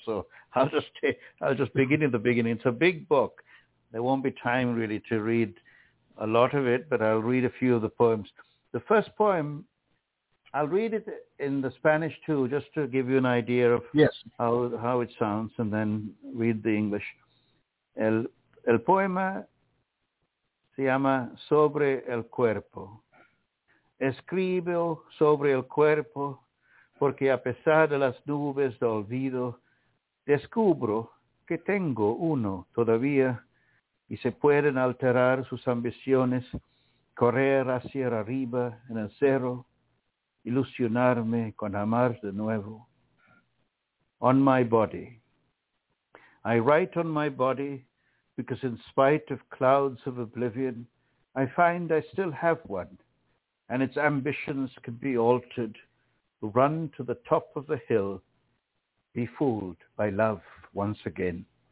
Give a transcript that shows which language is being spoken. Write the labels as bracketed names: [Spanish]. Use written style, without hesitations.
[English] So I'll just begin at the beginning. It's a big book. There won't be time really to read a lot of it, but I'll read a few of the poems. The first poem, I'll read it in the Spanish too, just to give you an idea of how it sounds, and then read the English. [Spanish] El poema se llama Sobre el Cuerpo. Escribo sobre el cuerpo porque a pesar de las nubes de olvido, descubro que tengo uno todavía y se pueden alterar sus ambiciones, correr hacia arriba en el cerro, ilusionarme con amar de nuevo. [English] On my body. I write on my body because in spite of clouds of oblivion, I find I still have one. And its ambitions can be altered, run to the top of the hill, be fooled by love once again.